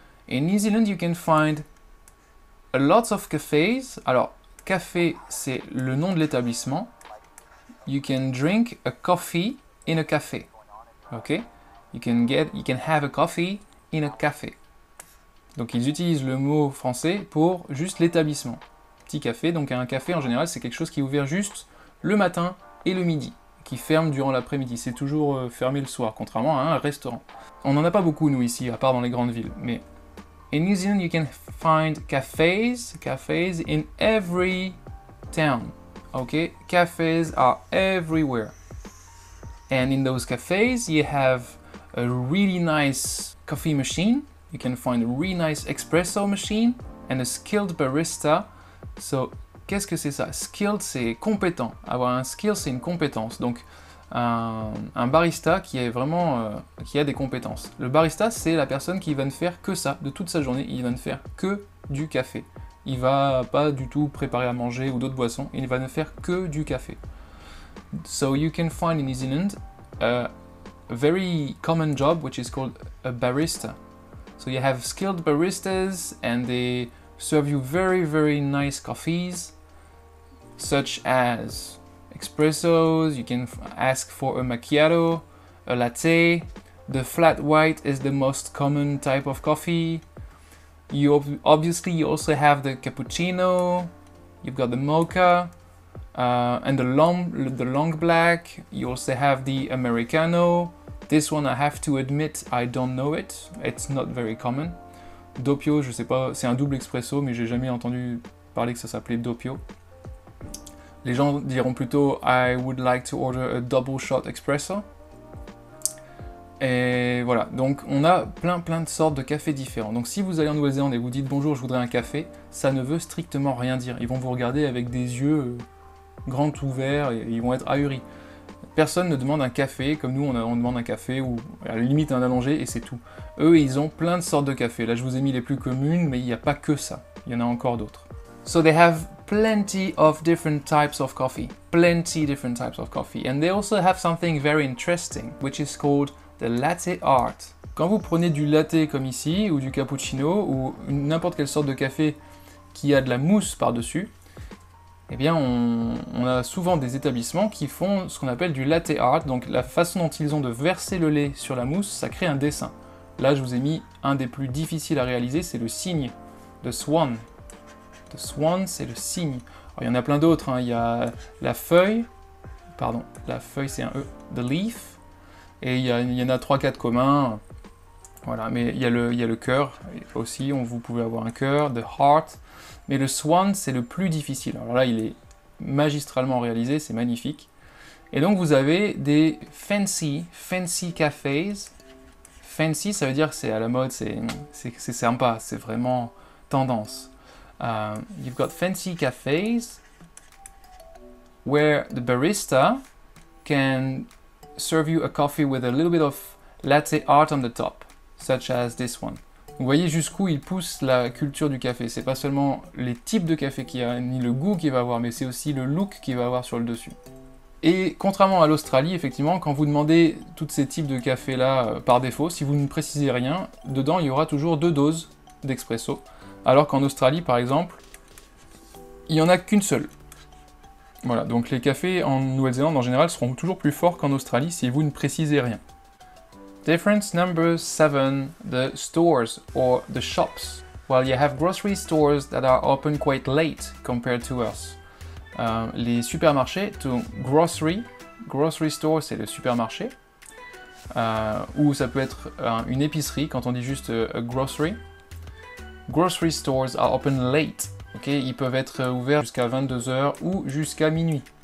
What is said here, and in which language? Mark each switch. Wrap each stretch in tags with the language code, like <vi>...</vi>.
<en>In New Zealand, you can find a lot of cafes.</en> <fr>Alors, café, c'est le nom de l'établissement.</fr> <en>You can drink a coffee in a café. Okay? You can have a coffee in a café.</en> <fr>Donc, ils utilisent le mot français pour juste l'établissement. Petit café. Donc, un café, en général, c'est quelque chose qui est ouvert juste le matin et le midi, qui ferme durant l'après-midi. C'est toujours fermé le soir, contrairement à un restaurant. On n'en a pas beaucoup, nous, ici, à part dans les grandes villes, mais...</fr> <en>In New Zealand, you can find cafes in every town, okay? Cafes are everywhere. And in those cafes, you have a really nice coffee machine. You can find a really nice espresso machine and a skilled barista.</en> <fr>So, qu'est-ce que c'est ça? Skilled, c'est compétent. Avoir un skill, c'est une compétence. Donc, un barista qui est vraiment qui a des compétences. Le barista, c'est la personne qui va ne faire que ça de toute sa journée. Il va ne faire que du café. Il va pas du tout préparer à manger ou d'autres boissons. Il va ne faire que du café.</fr> <en>So you can find in New Zealand a very common job which is called a barista. So you have skilled baristas and they serve you very very nice coffees such as espressos, you can ask for a macchiato, a latte, the flat white is the most common type of coffee. You obviously you also have the cappuccino, you've got the mocha, and the long black. You also have the americano. This one I have to admit I don't know it. It's not very common.</en> <fr>Doppio, je sais pas, c'est un double espresso mais j'ai jamais entendu parler que ça s'appelait doppio. Les gens diront plutôt «</fr> <en>I would like to order a double shot espresso ».</en> <fr>Et voilà, donc on a plein de sortes de cafés différents. Donc si vous allez en Nouvelle-Zélande et vous dites « Bonjour, je voudrais un café », ça ne veut strictement rien dire. Ils vont vous regarder avec des yeux grands ouverts et ils vont être ahuris. Personne ne demande un café comme nous, on demande un café ou à la limite un allongé et c'est tout. Eux, ils ont plein de sortes de cafés. Là, je vous ai mis les plus communes, mais il n'y a pas que ça. Il y en a encore d'autres.</fr> <en>So they have plenty of different types of coffee. Plenty different types of coffee. And they also have something very interesting, which is called the latte art.</en> <fr>Quand vous prenez du latte comme ici, ou du cappuccino, ou n'importe quelle sorte de café qui a de la mousse par-dessus, eh bien, on a souvent des établissements qui font ce qu'on appelle du latte art. Donc, la façon dont ils ont de verser le lait sur la mousse, ça crée un dessin. Là, je vous ai mis un des plus difficiles à réaliser, c'est le signe, the swan. Swan, c'est le signe. Alors, il y en a plein d'autres. Hein. Il y a la feuille. Pardon, la feuille, c'est un E. The leaf. Et il y en a 3-4 communs. Voilà, mais il y a le cœur aussi. Vous pouvez avoir un cœur. The heart. Mais le swan, c'est le plus difficile. Alors là, il est magistralement réalisé. C'est magnifique. Et donc, vous avez des fancy cafés. Fancy, ça veut dire que c'est à la mode. C'est sympa. C'est vraiment tendance. You've got fancy cafes where the barista can serve you a coffee with a little bit of latte art on the top, such as this one. Vous voyez jusqu'où il pousse la culture du café. C'est pas seulement les types de café qu'il y a, ni le goût qu'il va avoir, mais c'est aussi le look qu'il va avoir sur le dessus. Et contrairement à l'Australie, effectivement, quand vous demandez tous ces types de café-là par défaut, si vous ne précisez rien, dedans il y aura toujours deux doses d'espresso. Alors qu'en Australie, par exemple, il n'y en a qu'une seule. Voilà, donc les cafés en Nouvelle-Zélande, en général, seront toujours plus forts qu'en Australie si vous ne précisez rien.</fr> <en>Difference number 7, the stores or the shops. Well, you have grocery stores that are open quite late compared to us.</en> <fr>Les supermarchés, donc grocery store, c'est le supermarché. Ou ça peut être une épicerie, quand on dit juste grocery.</fr> <en>Grocery stores are open late, okay?</en> <fr>Ils peuvent être ouverts jusqu'à 22h ou jusqu'à minuit.</fr>